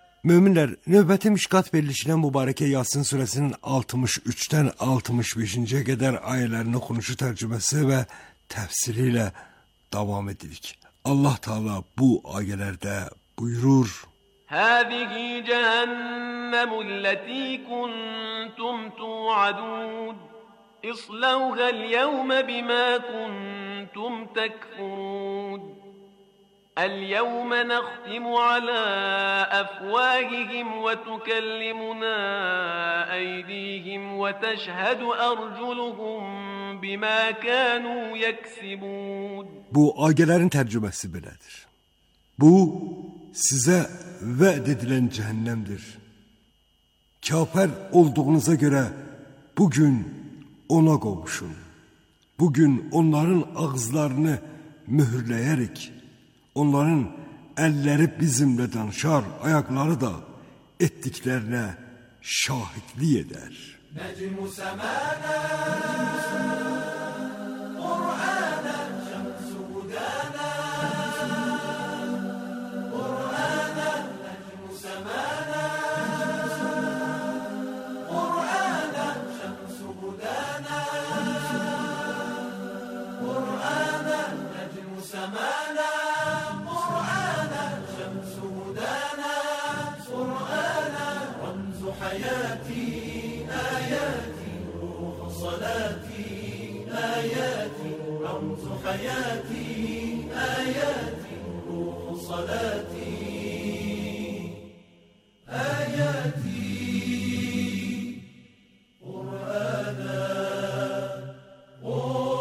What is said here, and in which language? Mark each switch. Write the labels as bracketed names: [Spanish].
[Azerbaijani] Möminlər, növbəti Mişkat verilişinə mübarəkə Yasin surəsinin 63-dən 65-ci qədər ayələrin oxunuşu tərcüməsi və təfsiri ilə davam edirik. Allah Taala bu ayələrdə buyurur: [Arabic] Həbihi cəhənnəmü ləti kuntum tuadud İsləvhəl yəvmə bimə kuntum təkfud اليوم نختم على أفواههم وتكلمنا أيديهم وتشهد أرجلهم بما كانوا يكسبون. [Azerbaijani] Bu ayələrin tərcüməsi belədir. Bu sizə vəd edilən cəhənnəmdir. Kafir olduğunuza görə bugün ona qovuşun. Bugün onların ağızlarını mühürləyərik. Onların əlləri bizimlə danışar, ayaqları da etdiklərinə şahidlik edər. [Arabic] Nəcmü səmədə, Qur'anə, şəmsü hüdədə, Qur'anə, nəcmü səmədə, Qur'anə, şəmsü hüdədə, Qur'anə, nəcmü səmədə, حياتي آياتي روح صلاتي آياتي رمز حياتي آياتي روح صلاتي صلاتي آياتي قرآنا قرآنا.